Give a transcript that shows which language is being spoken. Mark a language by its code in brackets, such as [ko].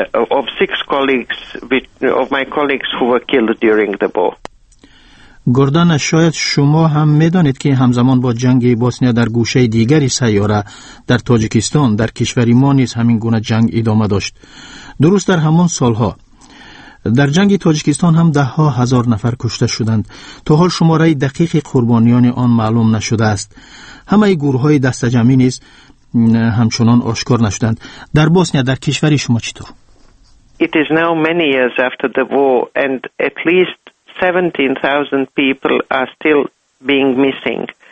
[en] of 6 colleagues of my colleagues who were killed during the war. [fa] گردن شاید شما هم می دانید که همزمان با جنگ بوسنیا در گوشه دیگری سیاره در تاجیکستان در کشوری ما نیز همین گونه جنگ ادامه داشت. درست در همان سالها در جنگ تاجیکستان هم ده ها هزار نفر کشته شدند. تا حال شماره دقیق قربانیان آن معلوم نشده است. همه گروه های دست جمعی نیز همچنان آشکار نشدند. در بوسنیا در کشوری شما چطور؟ [en] It is now many years after the war and at least 17,000 people are still being missing.